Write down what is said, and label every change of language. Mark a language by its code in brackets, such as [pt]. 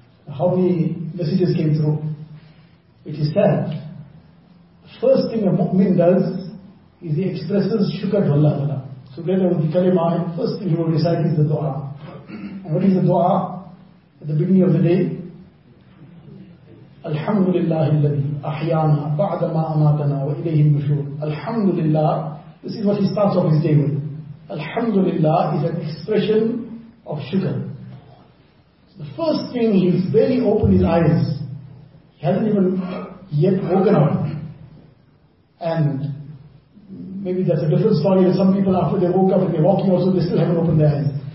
[en] How many messages came through? It is sad. First thing a mu'min does is he expresses shukr to Allah Ta'ala. So together with the kalima, first thing he will recite is the dua. And what is the dua at the beginning of the day? [ar] الحمد لله الذي أحيانا بعد ما أماتنا وإليه النشور. الحمد لله. [en] This is what he starts off his day with. الحمد لله is an expression of sugar. So the first thing he's barely opened his eyes. He hasn't even yet woken up. And maybe that's a different story. Some people after they woke up and they're walking also, they still haven't opened their eyes.